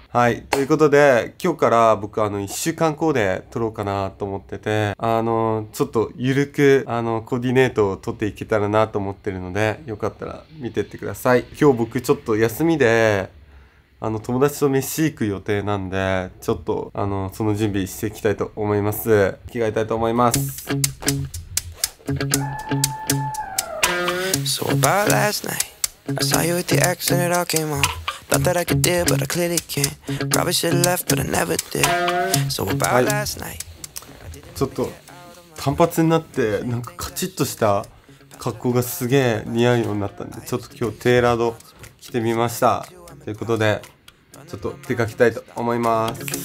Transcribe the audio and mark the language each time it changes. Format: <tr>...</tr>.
<ja>はい、ということで今日から僕1週間コーデ撮ろうかなと思ってて、ちょっとゆるくコーディネートを撮っていけたらなと思ってるので、よかったら見てってください。今日僕ちょっと休みで友達と飯行く予定なんで、ちょっとその準備していきたいと思います。着替えたいと思います。</ja> <en>So about last night, I saw you with the X and it all came on. Thought that I could deal, but I clearly can't. Probably should have left, but I never did. So about last night,</en> <ja>ちょっと短髪になって、なんかカチッとした格好がすげえ似合うようになったんで、ちょっと今日テーラード着てみました。ということで、ちょっと出かけたいと思います。</ja>